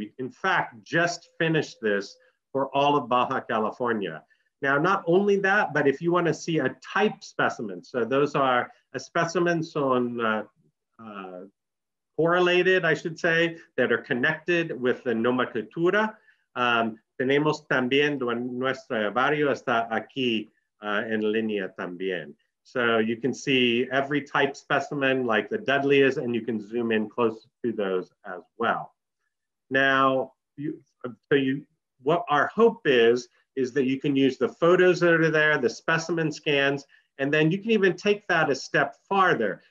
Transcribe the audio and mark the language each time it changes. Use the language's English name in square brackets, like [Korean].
[English] We, in fact, just finished this for all of Baja California. Now, not only that, but if you want to see a type specimen, so those are a specimens on correlated, I should say, that are connected with the nomenclatura. [Spanish] Tenemos también nuestro herbario está aquí en línea también. [English] So you can see every type specimen like the Dudleas, and you can zoom in close to those as well. Now, what our hope is that you can use the photos that are there, the specimen scans, and then you can even take that a step farther.